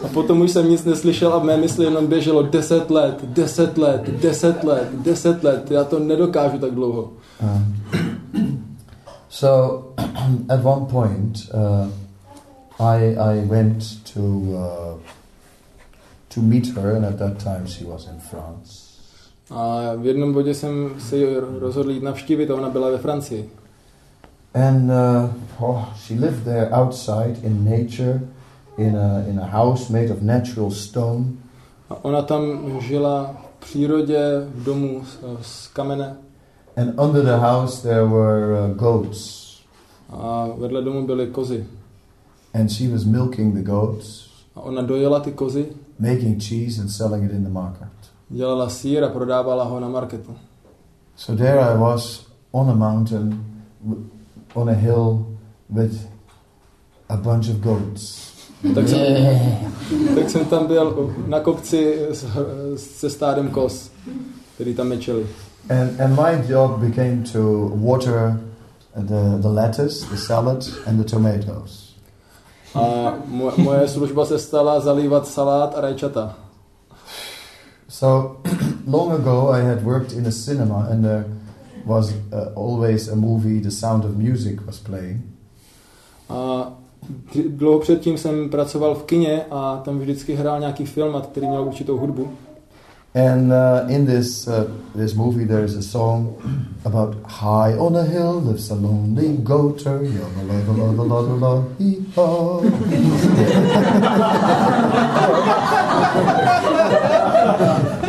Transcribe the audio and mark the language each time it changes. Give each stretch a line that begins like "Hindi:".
Czech: A potom už jsem nic neslyšel a v mé mysli jenom běželo 10 let, 10 let, 10 let, 10 let. Já to nedokážu tak dlouho.
English: So at one point I went to meet her and at that time she was in France.
Czech: A v jednom bodě jsem se rozhodl jít navštívit a ona byla ve Francii.
English: And she lived there outside in nature, in a house made of natural stone.
Czech: A ona tam žila v přírodě, v domu z kamene.
English: And under the house there were goats.
Czech: A vedle domu byly kozy.
English: And she was milking the goats.
Czech: A ona dojela ty kozy.
English: Making cheese and selling it in the market.
Czech: Dělala sýr a prodávala ho na marketu.
English: So there I was on a mountain. On a hill with a bunch of goats.
Czech: Tak jsem tam byl na kopci se stádem koz, který tam mečeli.
English: And my job became to water the lettuce, the salad, and the tomatoes.
Czech: A moje služba se stala zalívat salát a rajčata.
English: So long ago, I had worked in a cinema and there was always a movie The Sound of Music was playing.
Czech: A dlouho předtím jsem pracoval v kině a tam vždycky hrál nějaký film, který měl určitou hudbu.
English: And in this this movie, there is a song about high on a hill lives a lonely goater. Yalla, la, la, la, la, la, la, la,